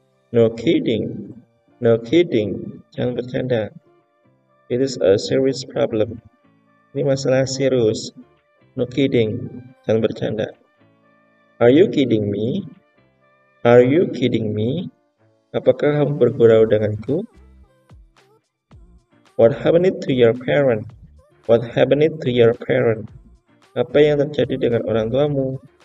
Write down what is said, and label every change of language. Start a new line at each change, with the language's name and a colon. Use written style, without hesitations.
English: No kidding. No kidding.
Indonesian: Jangan bercanda.
English: It is a serious problem.
Indonesian: Ini masalah serius.
English: No kidding.
Indonesian: Jangan bercanda.
English: Are you kidding me? Are you kidding me?
Indonesian: Apakah kamu bergurau denganku?
English: What happened to your parent? What happened to your parent?
Indonesian: Apa yang terjadi dengan orang tuamu?